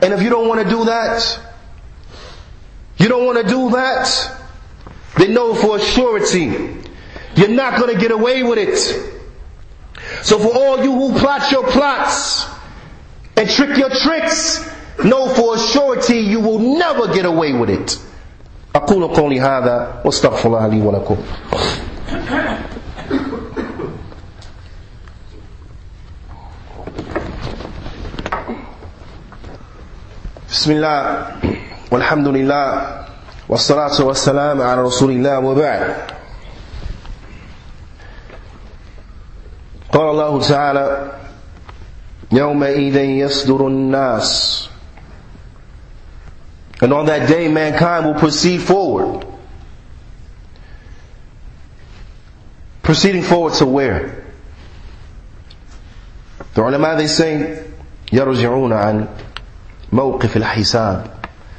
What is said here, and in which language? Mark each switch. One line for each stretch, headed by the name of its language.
English: And if you don't want to do that, you don't want to do that, then know for a surety, you're not going to get away with it. So for all you who plot your plots and trick your tricks, know for a surety you will never get away with it.
Arabic: أقول قولي هذا واستغفر الله لي ولكم. بسم الله والحمد لله والصلاة والسلام على رسول الله وبعد. قال الله تعالى يومئذ يصدر الناس.
English: And on that day, mankind will proceed forward. Proceeding forward to where? The ulama, they say,
Arabic: يَرُجِعُونَ عَنْ مَوْقِفِ الْحِسَابِ.